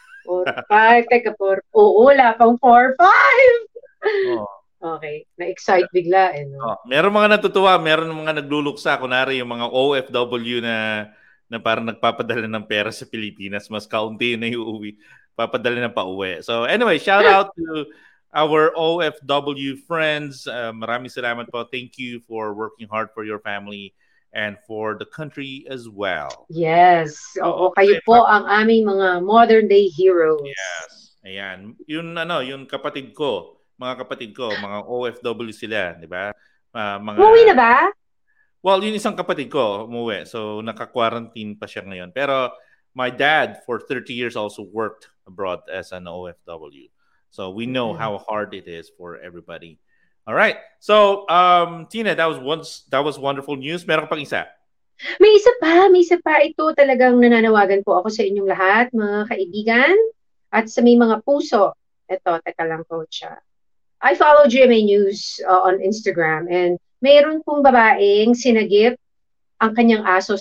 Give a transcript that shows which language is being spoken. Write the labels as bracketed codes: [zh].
[tl] 4-5. Teka, 4. Oo, wala pang 4-5. Oh. Okay. Na-excite bigla. Eh, no? Oh. Meron mga natutuwa. Meron mga nagluluksa. Kunwari, yung mga OFW na parang nagpapadala ng pera sa Pilipinas. Mas kaunti yun na yung uuwi. Papadala na pa-uwi. [en] So anyway, shout out to our OFW friends. [tl] Maraming salamat po. [en] Thank you for working hard for your family and for the country as well. Yes. [tl] Oo, kayo po ang aming mga [en] modern-day heroes. [tl] Yes. Ayan. Yun, ano, yun kapatid ko, mga OFW sila, di ba? Umuwi na ba? Well, yun isang kapatid ko umuwi. So, naka-quarantine pa siya ngayon. [en] Pero, my dad, for 30 years, also worked abroad as an OFW. So, we know how hard it is for everybody. All right. So, Tina, that was wonderful news. [tl] Meron pang isa? May isa pa. May isa pa. Ito talagang nananawagan po ako sa inyong lahat, mga kaibigan. At sa may mga puso. Ito, teka lang po siya. [en] I follow GMA News on Instagram and [tl] mayroon pong babaeng sinagip ang kanyang aso.